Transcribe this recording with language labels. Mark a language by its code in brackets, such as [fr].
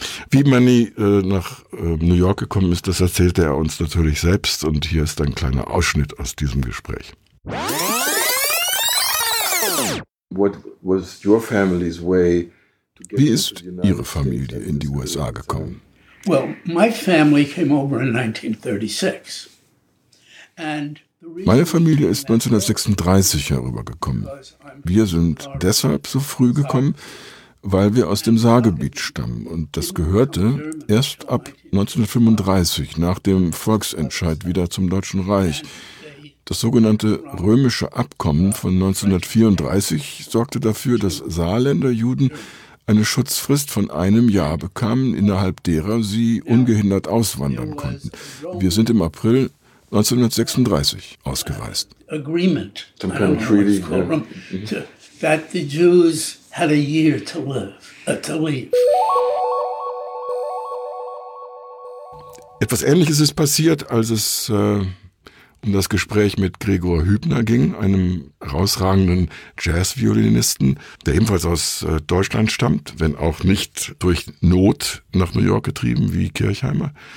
[de] Wie Manny nach New York gekommen ist, das erzählte er uns natürlich selbst. Und hier ist ein kleiner Ausschnitt aus diesem Gespräch. Wie ist Ihre Familie in die USA gekommen? [en] Well, my family came over in 1936. [de] Meine Familie ist 1936 herübergekommen. Wir sind deshalb so früh gekommen, weil wir aus dem Saargebiet stammen. Und das gehörte erst ab 1935 nach dem Volksentscheid wieder zum Deutschen Reich. Das sogenannte Römische Abkommen von 1934 sorgte dafür, dass Saarländer Juden eine Schutzfrist von einem Jahr bekamen, innerhalb derer sie ungehindert auswandern konnten. Wir sind im April 1936 ausgereist. [en] Agreement. Some kind of treaty. That the Jews had a year to live, to leave. [de] Etwas Ähnliches ist passiert, als es um das Gespräch mit Gregor Hübner ging, einem herausragenden Jazz-Violinisten, der ebenfalls aus Deutschland stammt, wenn auch nicht durch Not nach New York getrieben wie Kirchheimer.